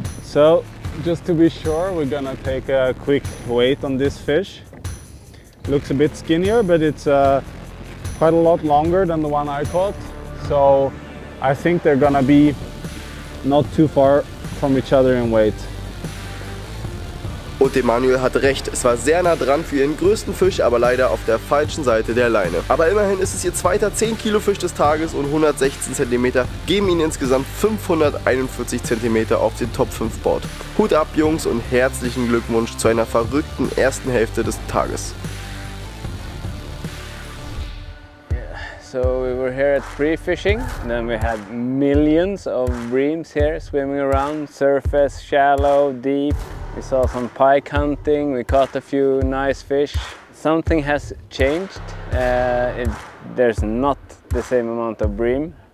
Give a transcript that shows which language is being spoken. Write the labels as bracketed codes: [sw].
[en] So, just to be sure, we're gonna take a quick weight on this fish. Looks a bit skinnier, but it's quite a lot longer than the one I caught. So, I think they're gonna be not too far from each other in weight. [de] Und Emanuel hatte recht, es war sehr nah dran für ihren größten Fisch, aber leider auf der falschen Seite der Leine. Aber immerhin ist es ihr zweiter 10 Kilo Fisch des Tages und 116 cm geben ihnen insgesamt 541 cm auf den Top 5 Board. Hut ab Jungs und herzlichen Glückwunsch zu einer verrückten ersten Hälfte des Tages. [en] So we were here at free fishing, and then we had millions of breams here swimming around, surface, shallow, deep. We saw some pike hunting, we caught a few nice fish. Something has changed. There's not the same amount of bream.